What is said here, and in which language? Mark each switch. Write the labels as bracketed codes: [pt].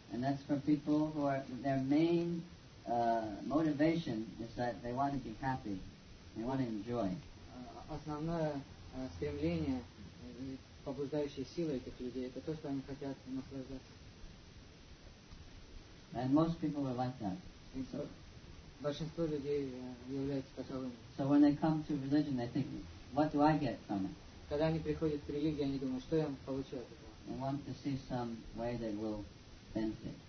[en] And that's for people who are, their main motivation is that they want to be happy, they want to enjoy. [ru] Основное стремление и побуждающая сила этих людей, это то, что они хотят наслаждаться. [en] And most people are like that. [ru] Большинство людей являются таковыми. [en] So when they come to religion, they think, what do I get from it? [ru] Когда они приходят в религию, они думают, что я получу от этого? [en] They want to see some way they will benefit.